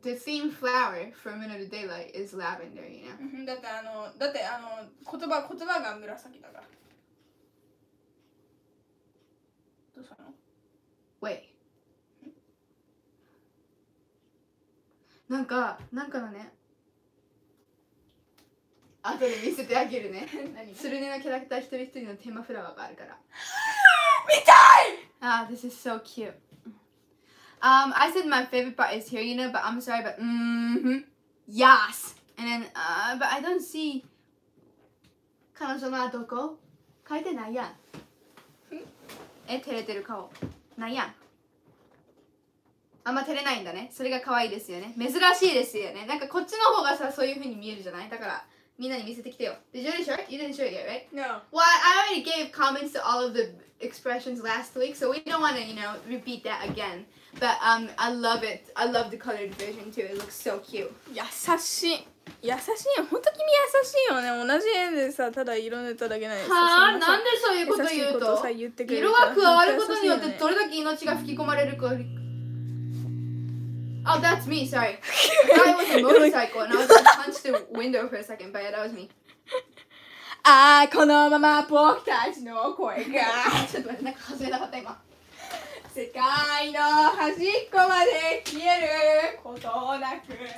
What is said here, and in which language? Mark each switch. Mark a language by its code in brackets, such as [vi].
[en] The theme flower for Manila Daylight is lavender, you know? [ja] だってあの、だってあの、言葉が紫だから。どうしたの? [en] Wait. [ja] なんかのね。後で見せてあげるね。スルネのキャラクター一人一人のテーマフラワーがあるから。見たい。 [en] あ、ah, this is so cute. I said my favorite part is here, you know, but I'm sorry, but yes. And then, but I don't see [ja] 彼女のどこ書いてないやん。え、照れてる顔。ないやん。あんま照れないんだね。それが可愛いですよね。珍しいですよね。なんかこっちの方がさ、そういう風に見えるじゃない。だから。みんなに見せてきてよ。 [en] Did you already show it? You didn't show it yet, right? No. Well, I already gave comments to all of the expressions last week, so we don't want to, you know, repeat that again. But I love it. I love the colored version too. It looks so cute. [ja] 優しい。優しいよ。本当君優しいよね。同じ円でさ、ただ色塗っただけなんです。はあ、なんでそういうこと言うと。優しいことさ言ってくれる。色が加わることによってどれだけ命が吹き込まれるか。 [en] Oh, that's me, sorry. I was a motorcycle and I was gonna punch the window for a second, but yeah, that was me. [ja] Ah, このまま僕たちの声が。ちょっと待って、なんか外れなかった今。世界の端っこまで消えることなく。